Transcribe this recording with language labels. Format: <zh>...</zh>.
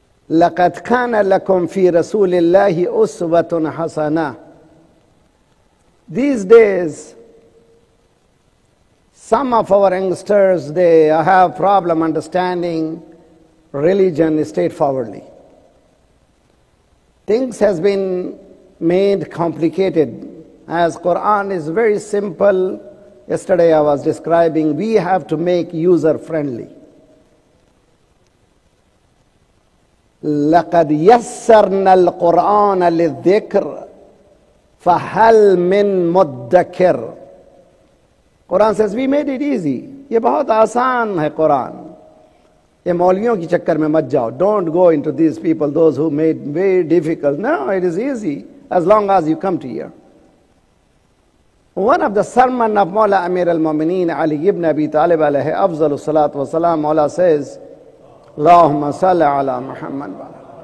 <ar>لَقَدْ كَانَ لَكُمْ فِي رَسُولِ اللَّهِ أُسْوَةٌ حَسَنَةٌ</ar> <en>These days, some of our youngsters, they have problem understanding religion straightforwardly. Things has been made complicated, as Quran is very simple. Yesterday I was describing, we have to make user-friendly.</en> <ar>لَقَدْ يَسَّرْنَا الْقُرْآنَ لِلذِّكْرِ فَهَلْ مِنْ مُدَّكِرِ</ar> <en>Quran says, we made it easy.</en> <ur>یہ بہت آسان ہے Quran. یہ مولویوں کی چکر میں مت جاؤ.</ur> <en>Don't go into these people, those who made very difficult. No, it is easy, as long as you come to here. One of the sermon of Mawla Amir al-Mumineen Ali ibn Abi Talib alayhi afzalu salatu wa salam, Mawla says, Allahumma salli ala Muhammad wa ala.</en>